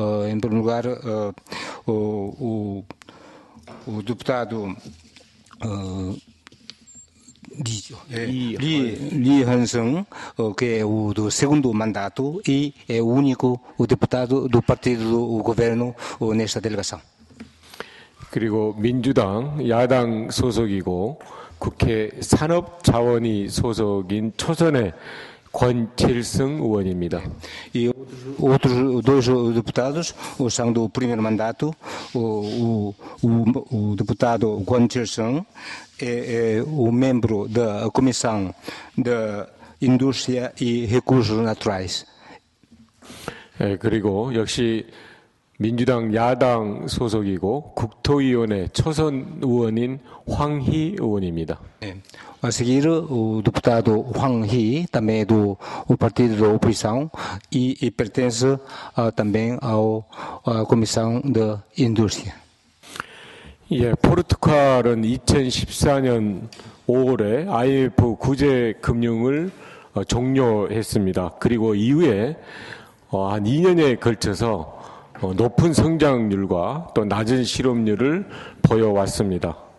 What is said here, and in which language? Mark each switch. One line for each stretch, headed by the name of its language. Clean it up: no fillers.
Portuguese: Em primeiro lugar, o deputado Lee Hansung, que é o do segundo mandato e é o único o deputado do partido do governo nesta delegação.
Korean: 그리고 민주당 야당 소속이고 국회 산업자원위 소속인 초선의 권칠승 의원입니다.
Portuguese: E outros dois deputados são do primeiro mandato, o deputado Guan Chilsung. É o membro da Comissão de Indústria e Recursos Naturais.
Korean: 예, 그리고 역시 민주당 야당 소속이고 국토위원회 초선 의원인 황희 의원입니다. 예.
Portuguese: A seguir, o deputado Huang He, também do Partido da Oposição, e pertence também à Comissão de Indústria.
Korean: 예, 포르투갈은 2014년 5월에 IMF 구제 금융을 종료했습니다. 그리고 이후에 한 2년에 걸쳐서 높은 성장률과 또 낮은 실업률을 보여왔습니다.